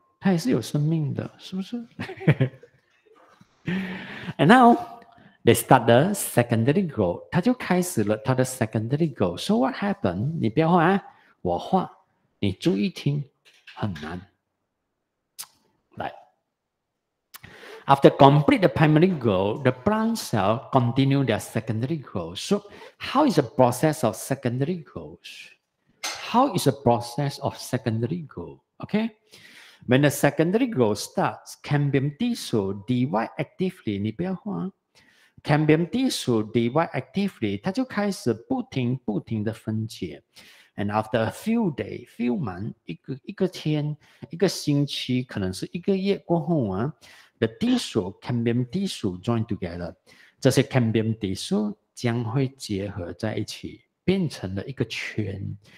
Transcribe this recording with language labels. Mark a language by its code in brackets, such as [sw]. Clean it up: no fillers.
[zh] 它也是有生命的，是不是？ [en] And now they start the secondary growth， [zh] 它就开始了它的 [en] secondary growth。 So what happened？ [zh] 你不要画啊，我画你注意听，很难。 [en] 来， After complete the primary growth， the plant cell continue their secondary growth。 So how is the process of secondary growth？ How is the process of secondary growth？ OK。 When the secondary growth starts, cambium tissue divide actively. [zh] 你不要画 [en] cambium tissue divide actively. [zh] 它就开始不停不停的分解。 [en] And after a few days, few months, [zh] 一个天，一个星期，可能是一个月过后啊， [en] the tissue cambium tissue join together. [zh] 这些 cambium tissue 将会结合在一起，变成了一个圈。